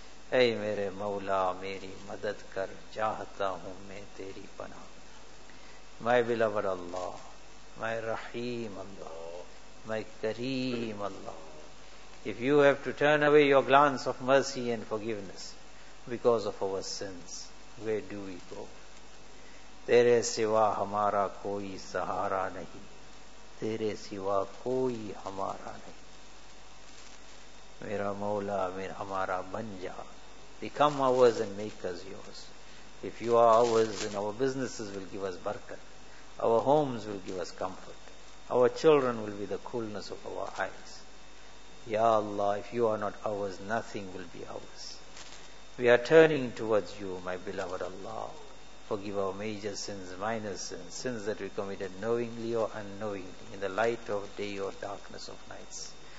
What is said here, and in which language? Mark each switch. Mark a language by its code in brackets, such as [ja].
[ur] اے میرے مولا میری مدد کر چاہتا ہوں میں تیری پناہ. [en] My beloved Allah, my Rahim Allah, my Kareem Allah, if you have to turn away your glance of mercy and forgiveness because of our sins, where do we go? [ur] تیرے سوا ہمارا کوئی سہارا نہیں, تیرے سوا کوئی ہمارا نہیں. میرا مولا میرا ہمارا بن جا. [en] Become ours and make us yours. If you are ours, then our businesses will give us barakah. Our homes will give us comfort. Our children will be the coolness of our eyes. Ya Allah, if you are not ours, nothing will be ours. We are turning towards you, my beloved Allah. Forgive our major sins, minor sins, sins that we committed knowingly or unknowingly, in the light of day or darkness of nights.